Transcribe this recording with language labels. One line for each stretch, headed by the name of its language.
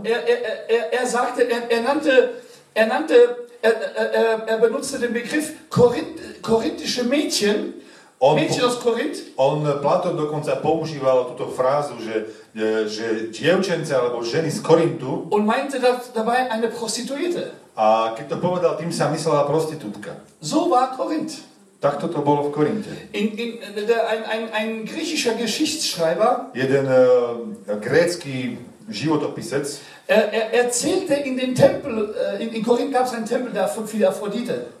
German: Er benutzte den Begriff korinthische Mädchen. Mädchen aus Korinth.
Slovak: On Platón dokonca používal túto frázu, že dievčence alebo ženy z Korintu.
German: Und meinte dabei eine Prostituierte.
Slovak: A keď to povedal, tým sa myslela prostitútka.
German: So war Korinth.
Slovak: Takto to bolo v Korinte.
German: Ein griechischer Geschichtsschreiber,
Slovak: jeden grécky životopisec,
German: erzählte in dem Tempel, in Korinth gab es einen Tempel der Aphrodite.